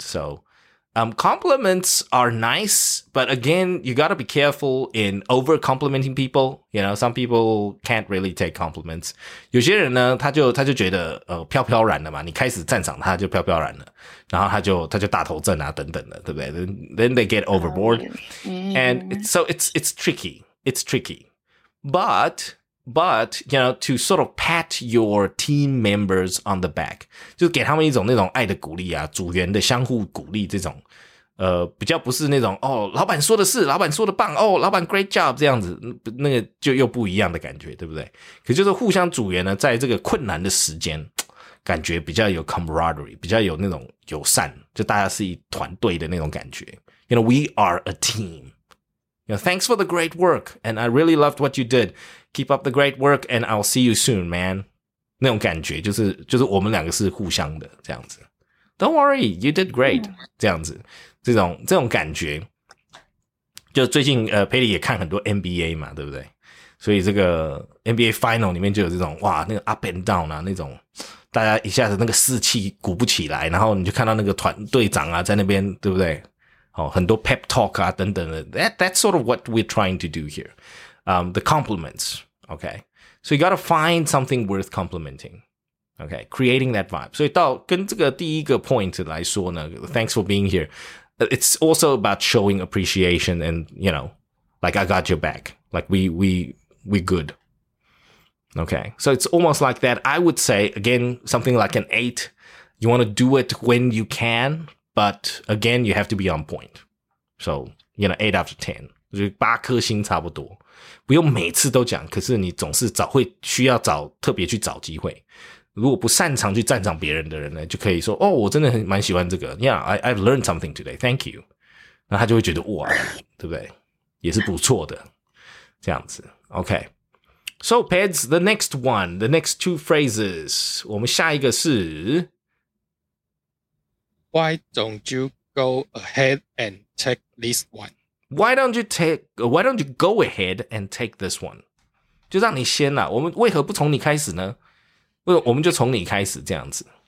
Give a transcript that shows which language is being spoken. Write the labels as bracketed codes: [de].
[en] So, compliments are nice, but again, you gotta be careful in over complimenting people. You know, some people can't really take compliments. [zh] 有些人呢，他就觉得飘飘然了嘛，你开始赞赏他就飘飘然了，然后他就大头症啊等等的，对不对？ [en] Then they get overboard, and it's tricky. But, you know, to sort of pat your team members on the back, [zh] 就给他们一种那种爱的鼓励啊，组员的相互鼓励这种，比较不是那种，哦，老板说的是，老板说的棒，哦，老板 [en] great job [zh] 这样子，那个就又不一样的感觉，对不对？可就是互相组员呢，在这个困难的时间，感觉比较有 camaraderie, 比较有那种友善，就大家是一团队的那种感觉。 [en] You know, we are a team. You know, thanks for the great work, and I really loved what you did. Keep up the great work, and I'll see you soon, man. [zh] 那种感觉就是我们两个是互相的这样子。 [en] Don't worry, you did great. [zh] 这样子，这种感觉，就最近Patty 也看很多 NBA 嘛，对不对？所以这个 NBA Final 里面就有这种哇，那个 up and down 啊，那种大家一下子那个士气鼓不起来，然后你就看到那个团队长啊在那边，对不对？哦，很多 pep talk 啊，等等的，that's sort of what we're trying to do here. [en] The compliments, okay. So you gotta find something worth complimenting, okay. Creating that vibe. [zh] 所以到跟这个第一个 point 来说呢 ， [en] thanks for being here. It's also about showing appreciation and you know, like I got your back, like we good. Okay. So it's almost like that. I would say again something like an 8. You want to do it when you can. But again, you have to be on point. So, you know, 8 out of 10. [zh] 就8颗星差不多。不用每次都讲，可是你总是找，会需要找，特别去找机会。如果不擅长去赞赏别人的人呢，就可以说，哦，我真的很蛮喜欢这个。 [en] Yeah, I've learned something today. Thank you. [zh] 那他就会觉得，哇，对不对？也是不错的。这样子。Okay. [en] So, Peds, the next one, the next two phrases. [zh] 我们下一个是 [en] Why don't you go ahead and take this one? Why don't you go ahead and take this one? [zh] 就让你先啦，我们为何不从你开始呢？为我们就从你开始这样子。